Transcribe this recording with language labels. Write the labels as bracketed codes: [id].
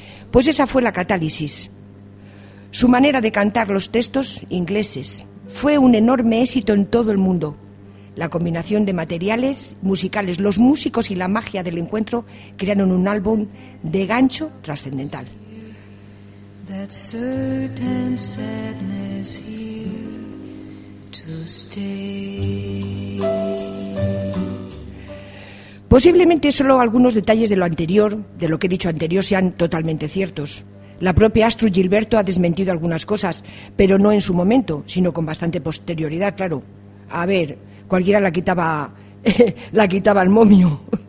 [es] Pues esa fue la catálisis. Su manera de cantar los textos ingleses fue un enorme éxito en todo el mundo. La combinación de materiales musicales, los músicos y la magia del encuentro crearon un álbum de gancho trascendental. [en] That certain sadness here to stay. [es] Posiblemente solo algunos detalles de lo que he dicho anterior, sean totalmente ciertos. La propia Astrid Gilberto ha desmentido algunas cosas, pero no en su momento, sino con bastante posterioridad, claro. A ver, cualquiera la quitaba el momio.